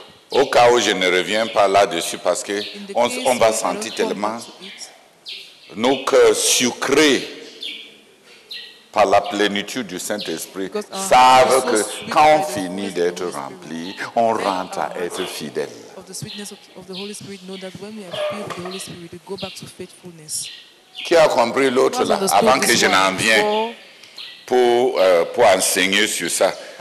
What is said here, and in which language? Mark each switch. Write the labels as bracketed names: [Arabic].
[French] Au cas où je ne reviens pas là-dessus, parce qu'on va sentir tellement nos cœurs sucrés par la plénitude du Saint-Esprit, savent que quand on finit d'être rempli, on rentre à être fidèle. [English] Of the sweetness of the Holy Spirit, know that when we are filled with the Holy Spirit, we go back to faithfulness. [French] Qui a compris l'autre là, avant que je n'en vienne pour enseigner sur ça?